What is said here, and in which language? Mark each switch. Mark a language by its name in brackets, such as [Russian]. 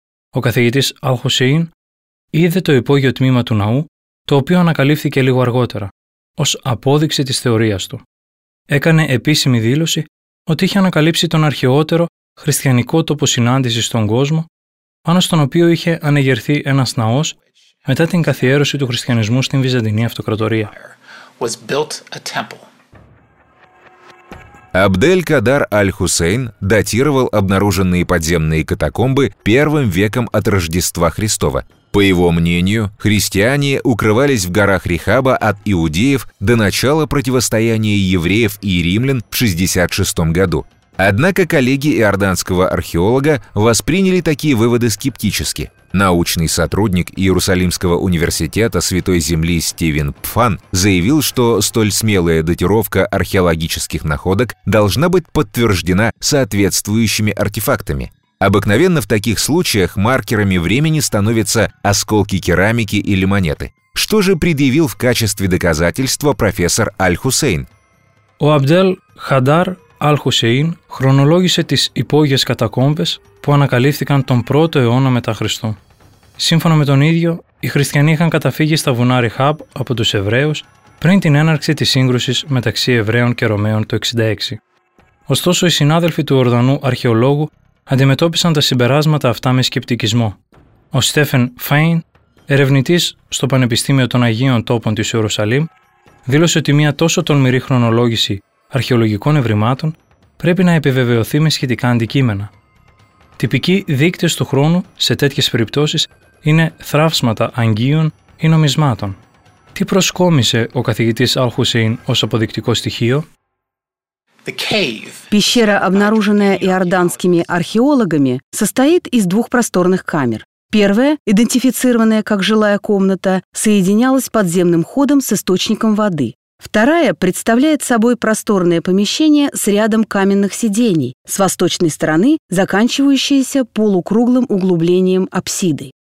[Greek] Ο καθηγητής Αλ-Χουσέιν είδε το υπόγειο τμήμα του ναού, το οποίο ανακαλύφθηκε λίγο αργότερα, ως απόδειξη της θεωρίας του. Έκανε επίσημη δήλωση ότι είχε ανακαλύψει τον αρχαιότερο χριστιανικό τόπο συνάντησης στον κόσμο, πάνω στον οποίο είχε ανεγερθεί ένας ναός μετά την καθιέρωση του χριστιανισμού στην Βυζαντινή Αυτοκρατορία. [Russian] Абдель Кадар Аль-Хусейн датировал обнаруженные подземные катакомбы первым веком от Рождества Христова. По его мнению, христиане укрывались в горах Рехаба от иудеев до начала противостояния евреев и римлян в 66 году. Однако коллеги иорданского археолога восприняли такие выводы скептически. Научный сотрудник Иерусалимского университета Святой Земли Стивен Пфан заявил, что столь смелая датировка археологических находок должна быть подтверждена соответствующими артефактами. Обыкновенно в таких случаях маркерами времени становятся осколки керамики или монеты. Что же предъявил в качестве доказательства профессор Аль-Хусейн? [Greek] У Абдель Хадар Αλ-Χουσέιν χρονολόγησε τις υπόγειες κατακόμβες που ανακαλύφθηκαν τον 1ο αιώνα μετά Χριστού. Σύμφωνα με τον ίδιο, οι χριστιανοί είχαν καταφύγει στα βουνά Ριχάπ από τους Εβραίους πριν την έναρξη της σύγκρουσης μεταξύ Εβραίων και Ρωμαίων το 66. Ωστόσο, οι συνάδελφοι του Ορδανού αρχαιολόγου αντιμετώπισαν τα συμπεράσματα αυτά με σκεπτικισμό. Ο Στέφεν Φάιν, ερευνητής στο Πανεπιστήμιο των Αγίων Τόπων της Ιερουσαλήμ, δήλωσε ότι μια τόσο τολμηρή χρονολόγηση αρχαιολογικών ευρημάτων πρέπει να επιβεβαιωθεί με σχετικά αντικείμενα. Τυπικοί δείκτες του χρόνου σε τέτοιες περιπτώσεις είναι θράψματα αγγείων ή νομισμάτων. Τι προσκόμισε ο καθηγητής Αλ-Χουσέιν ως αποδεικτικό στοιχείο? [Russian] Пещера, обнаруженная иорданскими археологами, состоит из двух просторных камер. Первая, идентифицированная как жилая комната, соединялась подземным ходом с источником воды. Вторая представляет собой просторное помещение с рядом каменных сидений, с восточной стороны, заканчивающееся полукруглым углублением апсиды.